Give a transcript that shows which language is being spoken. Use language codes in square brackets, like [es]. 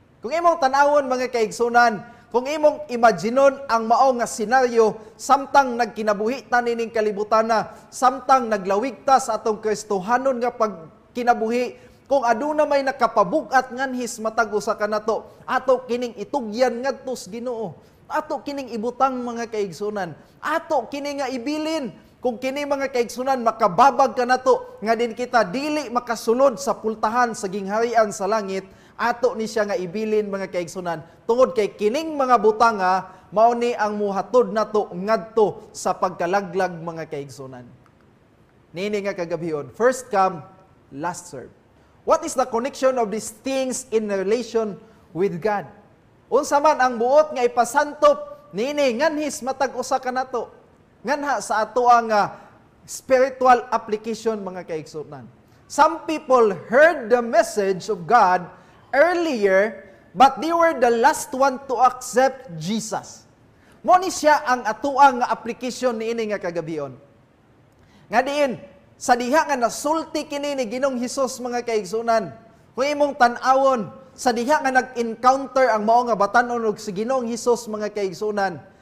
[ceb] Kung imong tanawon mga kaigsuonan, kung imong imaginon ang maong nga senaryo, samtang nagkinabuhi ta nining kalibutan na, samtang naglawigta sa atong Kristohanon nga pagkinabuhi, kung aduna may nakapabugat nganhis matag usa kanato, ato kining itugyan ngadto sa Ginoo, ato kining ibutang mga kaigsunan, ato kining nga ibilin, kung kini mga kaigsunan makababag kanato nga din kita dili makasulod sa pultahan sa gingharian sa langit, ato ni siya nga ibilin mga kaigsunan tungod kay kining mga butanga mao ni ang muhatod nato ngadto sa pagkalaglag mga kaigsunan. Nini nga kagabihon, [en] first come last serve. What is the connection of these things in relation with God? [ceb] Unsa man ang buot nga ipasantop nini nganhis matag usa kanato nganha sa ato ang spiritual application mga kaigsunan. [en] Some people heard the message of God earlier, but they were the last one to accept Jesus. [ceb] Moni siya ang atuang application niini nga kagabion. Nga diin, sa diha nga nasulti kini ni Ginong Hesus mga kaigsunan, kung imong tan-awon, sa diha nga nag-encounter ang mao nga batan-on og si Ginong Hesus mga kaigsunan,